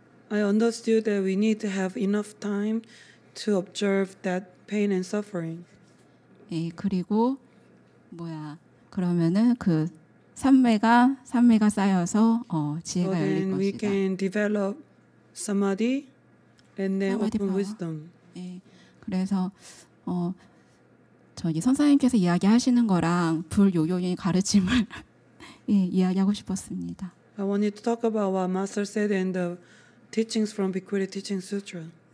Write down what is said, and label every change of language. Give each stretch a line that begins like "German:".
English: I understood that we need to have enough time to observe that pain and suffering.
Korean: 예, 그리고 뭐야? 그러면은 그 삼매가 쌓여서 지혜가
English: so
Korean: 열릴 것이다.
English: Then we can develop samadhi and then open wisdom.
Korean: 예, 그래서 저기 선생님께서 이야기하시는 거랑 불요요인 가르침을 예, 이야기하고 싶었습니다.
English: I wanted to talk about what Master said in the teachings from Bikuri Teaching Sutra.